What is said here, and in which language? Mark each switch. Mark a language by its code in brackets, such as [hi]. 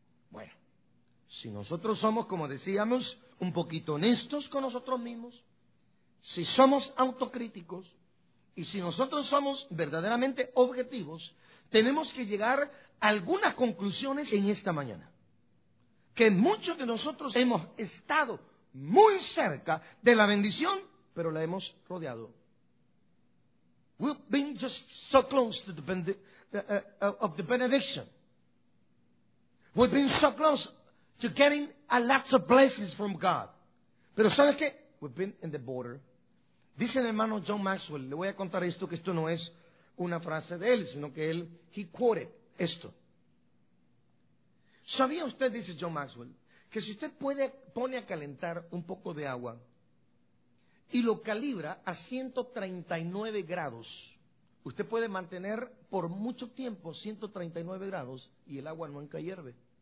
[es] Bueno, si nosotros somos, como decíamos, un poquito honestos con nosotros mismos, si somos autocríticos, y si nosotros somos verdaderamente objetivos, tenemos que llegar a algunas conclusiones en esta mañana, que muchos de nosotros hemos estado muy cerca de la bendición, pero la hemos rodeado. [en] We've been just so close to of the benediction. We've been so close to getting a lots of blessings from God. [es] Pero ¿sabes qué? [en] We've been in the border. [es] Dice el hermano John Maxwell, le voy a contar esto, que esto no es una frase de él, sino que él, [en] he quoted [es] esto. ¿Sabía usted, dice John Maxwell, que si usted pone a calentar un poco de agua y lo calibra a 139 grados, usted puede mantener por mucho tiempo 139 grados y el agua nunca hierve?